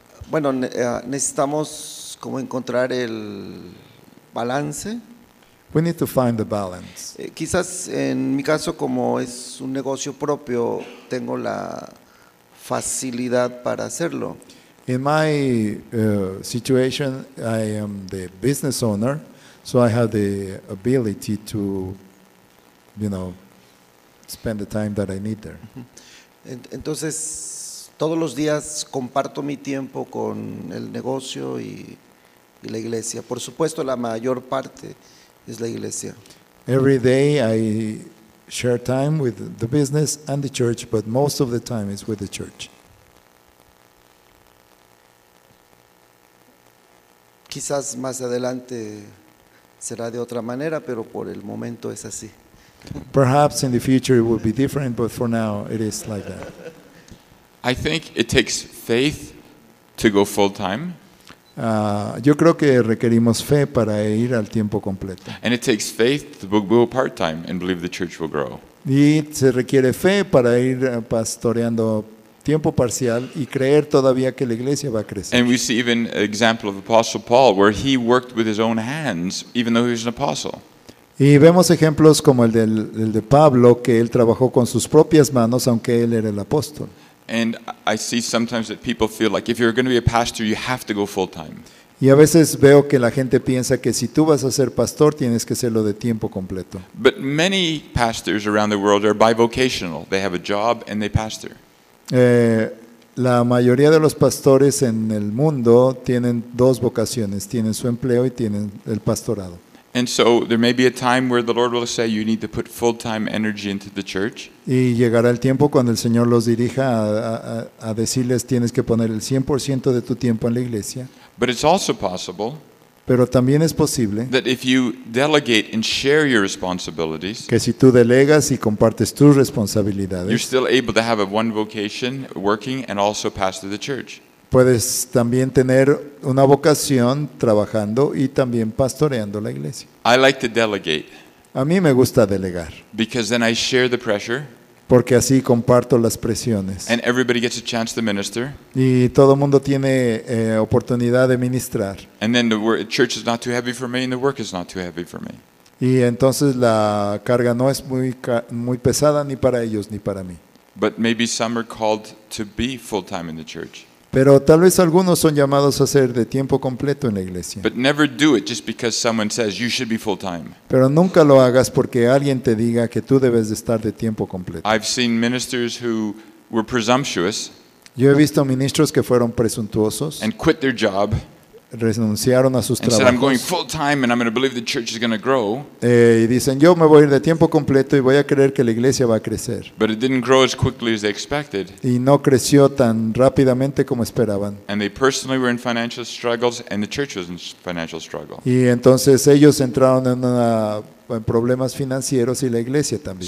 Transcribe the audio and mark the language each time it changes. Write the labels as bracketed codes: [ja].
[es] Bueno, necesitamos como encontrar el balance. [en] We need to find the balance. [es] Quizás en mi caso, como es un negocio propio, tengo la facilidad para hacerlo. [en] In my situation, I am the business owner, so I have the ability to, you know, spend the time that I need there. [es] Entonces, todos los días comparto mi tiempo con el negocio y la iglesia. Por supuesto, la mayor parte es la iglesia. [en] Every day I share time with the business and the church, but most of the time is with the church. [es] Quizás más adelante será de otra manera, pero por el momento es así. [en] Perhaps in the future it will be different, but for now it is like that. I think it takes faith to go full time. [es] Yo creo que requerimos fe para ir al tiempo completo. [en] And it takes faith to go part time and believe the church will grow. [es] Y se requiere fe para ir pastoreando tiempo parcial y creer todavía que la iglesia va a crecer. [en] And we see even an example of Apostle Paul where he worked with his own hands even though he was an apostle. [es] Y vemos ejemplos como el de Pablo que él trabajó con sus propias manos aunque él era el apóstol. [en] And I see sometimes that people feel like if you're going to be a pastor you have to go full time. [es] Y a veces veo que la gente piensa que si tú vas a ser pastor tienes que serlo de tiempo completo. [en] But many pastors around the world are bivocational. They have a job and they pastor. [es] La mayoría de los pastores en el mundo tienen dos vocaciones, tienen su empleo y tienen el pastorado. [en] And so there may be a time where the Lord will say you need to put full-time energy into the church. [es] Y llegará el tiempo cuando el Señor los dirija a decirles tienes que poner el 100% de tu tiempo en la iglesia. [en] But it's also possible. [es] Pero también es posible [en] that if you delegate and share your responsibilities, [es] que si tú delegas y compartes tus responsabilidades, [en] you're still able to have a one vocation working and also pastor the church. [es] Puedes también tener una vocación trabajando y también pastoreando la iglesia. [en] I like to delegate. [es] A mí me gusta delegar. [en] Because then I share the pressure. [es] Porque así comparto las presiones. [en] And everybody gets a chance to minister. [es] Y todo el mundo tiene oportunidad de ministrar. [en] And then the church is not too heavy for me and the work is not too heavy for me. [es] Y entonces la carga no es muy pesada ni para ellos ni para mí. [en] But maybe some are called to be full-time in the church. [es] Pero tal vez algunos son llamados a ser de tiempo completo en la iglesia. [en] But never do it just because someone says you should be full time. [es] Pero nunca lo hagas porque alguien te diga que tú debes de estar de tiempo completo. [en] I've seen ministers who were presumptuous. [es] Yo he visto ministros que fueron presuntuosos. [en] And quit their job. [es] Renunciaron a sus trabajos. [en] And said, I'm going full time and I'm going to believe the church is going to grow. [es] Y dicen, yo me voy a ir de tiempo completo y voy a creer que la iglesia va a crecer. [en] But it didn't grow as quickly as they expected. [es] Y no creció tan rápidamente como esperaban. [en] And they personally were in financial struggles and the church was in financial struggle. [es] Y entonces ellos entraron en problemas financieros y la iglesia también.